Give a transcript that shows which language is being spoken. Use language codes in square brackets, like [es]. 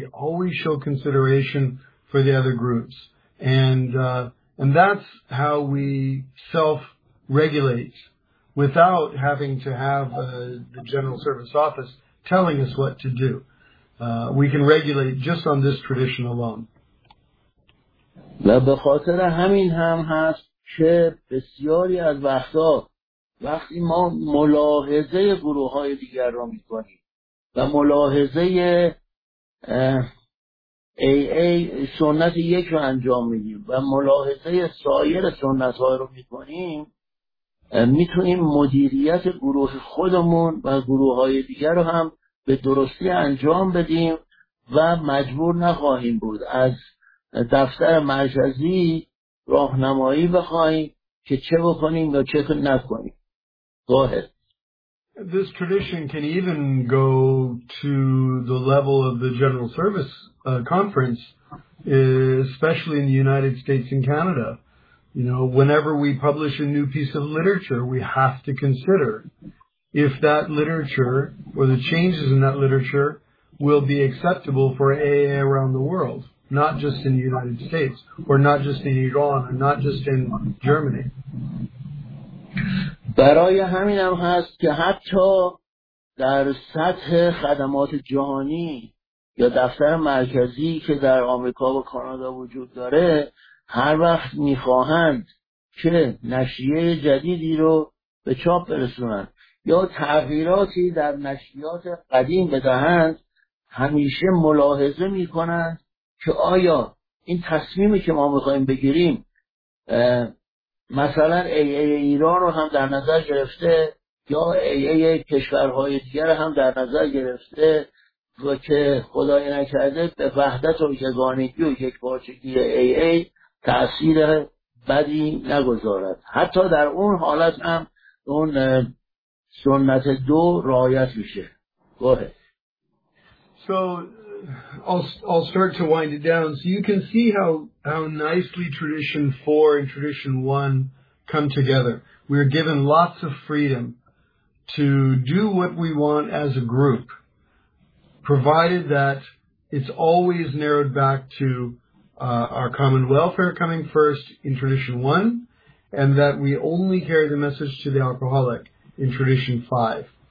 [en] We always show consideration for the other groups. And that's how we self-regulate without having to have the General Service Office telling us what to do. We can regulate just on this tradition alone. [fa] و به خاطر همین هم هست که بسیاری از وقتا وقتی ما ملاحظه گروه های دیگر را می کنیم و ملاحظه AA سنت یک را انجام می دیم و ملاحظه سایر سنت ها را می کنیم، می توانیم مدیریت گروه خودمون و گروه های دیگر را هم به درستی انجام بدیم و مجبور نخواهیم بود از دفتر مرکزی راهنمایی بخوایم که چه بکنیم یا چه نکنیم. [en] Go ahead. This tradition can even go to the level of the General Service Conference, especially in the United States and Canada. You know, whenever we publish a new piece of literature, we have to consider if that literature or the changes in that literature will be acceptable for AA around the world. Not just in the United States, or not just in Iran, or not just in Germany. [fa] برای همین هم هست که حتی در سطح خدمات جهانی یا دفتر مرکزی که در آمریکا و کانادا وجود داره، هر وقت میخواهند که نشریه جدیدی رو به چاپ برسونند یا یا تغییراتی در نشریات قدیم بدهند همیشه ملاحظه می کنند که آیا این تصمیمی که ما میخواییم بگیریم مثلا ای ایران رو هم در نظر گرفته یا ای کشورهای دیگر هم در نظر گرفته و که خدای نکرده به وحدت و یگانگی و یک پارچگی ای تأثیر بدی نگذارد، حتی در اون حالت هم اون سنت دو رعایت میشه. [en] گوه So I'll start to wind it down. So you can see how nicely tradition 4 and tradition 1 come together. We are given lots of freedom to do what we want as a group, provided that it's always narrowed back to our common welfare coming first in tradition 1, and that we only carry the message to the alcoholic in tradition 5.